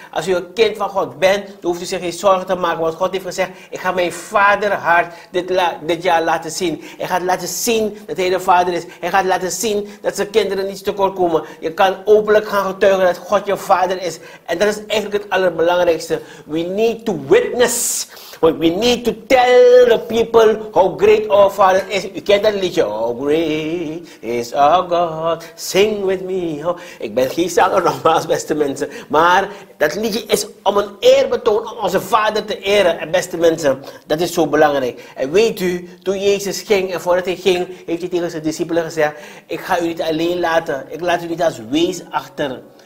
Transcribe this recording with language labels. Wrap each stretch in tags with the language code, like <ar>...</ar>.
<nl>Als u een kind van God bent, dan hoeft u zich geen zorgen te maken, want God heeft gezegd, ik ga mijn vaderhart dit jaar laten zien. Hij gaat laten zien dat hij de vader is. Hij gaat laten zien dat zijn kinderen niet tekort komen. Je kan openlijk gaan getuigen dat God je vader is. En dat is eigenlijk het allerbelangrijkste.</nl> <en>We need to witness. We need to tell the people how great our Father is.</en> <nl>U kent dat liedje.</nl> <en>How great is our God. Sing with me. Oh.</en> <nl>Ik ben geen zanger nogmaals, beste mensen. Maar dat liedje is om een eerbetoon om onze Vader te eren. En beste mensen, dat is zo belangrijk. En weet u, toen Jezus ging en voordat hij ging, heeft hij tegen zijn discipelen gezegd. Ik ga u niet alleen laten. Ik laat u niet als wees achter.</nl>